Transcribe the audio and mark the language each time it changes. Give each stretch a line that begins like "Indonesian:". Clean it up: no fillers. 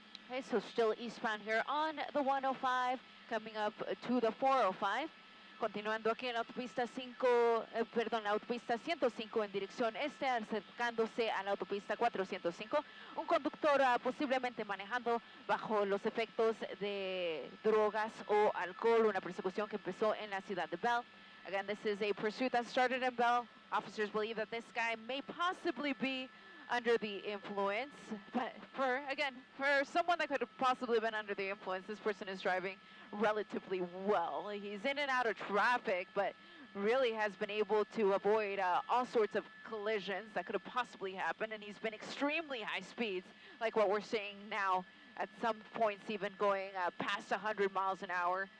English: Okay, so still eastbound here on the 105, coming up to the 405.
Spanish: Continuando aquí en la autopista 5, la autopista 105 en dirección este, acercándose a la autopista 405. Un conductor posiblemente manejando bajo los efectos de drogas o alcohol, una persecución que empezó en la ciudad de Bell.
English: Again, this is a pursuit that started in Bell. Officers believe that this guy may possibly be under the influence, but for someone that could have possibly been under the influence, this person is driving relatively well. He's in and out of traffic, but really has been able to avoid all sorts of collisions that could have possibly happened, and he's been extremely high speeds, like what we're seeing now, at some points even going past 100 miles an hour.